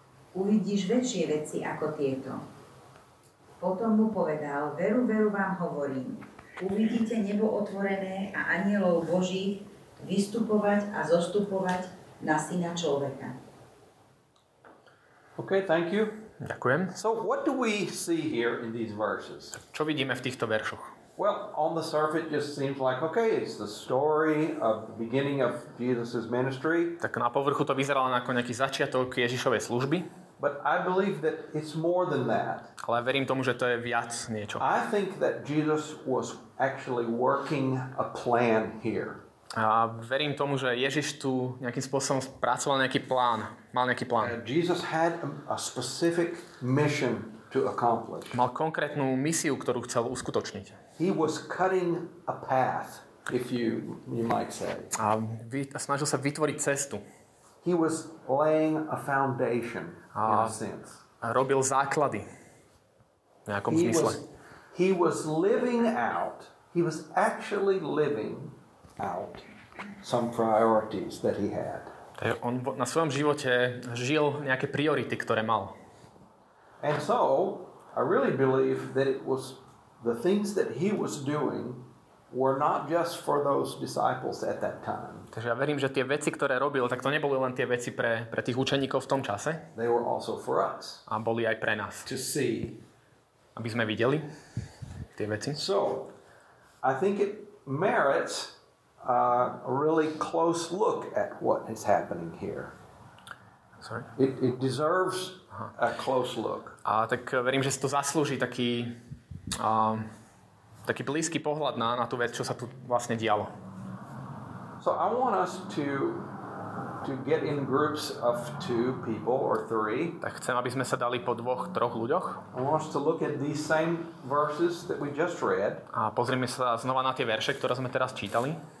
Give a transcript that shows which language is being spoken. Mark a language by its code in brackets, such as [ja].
[sk] Uvidíš väčšie veci ako tieto. Potom mu povedal: Veru, veru vám hovorím, uvidíte nebo otvorené a anielov Božích vystupovať a zostupovať na syna človeka. [en] OK, thank you. [sk] Ďakujem. [en] So what do we see here in these verses? [sk] Čo vidíme v týchto veršoch? [en] Well, on the surface, it just seems like, okay, it's the story of the beginning of Jesus' ministry. [sk] Tak na povrchu to vyzeralo ako nejaký začiatok Ježišovej služby. [en] But I believe that it's more than that. [sk] Ale ja verím tomu, že to je viac niečo. [en] I think that Jesus was actually working a plan here. [sk] A verím tomu, že Ježiš tu nejakým spôsobom pracoval nejaký plán, mal nejaký plán. [en] Jesus had a specific mission to accomplish. [sk] Mal konkrétnu misiu, ktorú chcel uskutočniť. [en] He was cutting a path, if you might say. [sk] A snažil sa vytvoriť cestu. [en] He was laying a foundation in a sense. [sk] A robil základy. V nejakom zmysle. [en] He was living out. He was actually living out some priorities that he had. [sk] On na svojom živote žil nejaké priority, ktoré mal. [en] And so, I really believe that it was the things that he was doing were not just for those disciples at that time. [sk] Takže ja verím, že tie veci, ktoré robil, tak to neboli len tie veci pre tých učeníkov v tom čase. [en] They were also for us. [sk] A boli aj pre nás. [en] To see. [sk] Aby sme videli tie veci. [en] So, I think it merits a really close look at what is happening here. Sorry? It deserves a close look. [sk] A tak verím, že si to zaslúži taký taký blízky pohľad na tú vec, čo sa tu vlastne dialo. [en] So I want us to get in groups of two people or three. [sk] Tak chcem, aby sme sa dali po dvoch, troch ľuďoch. [en] I want us to look at these same verses that we just read. [sk] A pozrieme sa znova na tie verše, ktoré sme teraz čítali.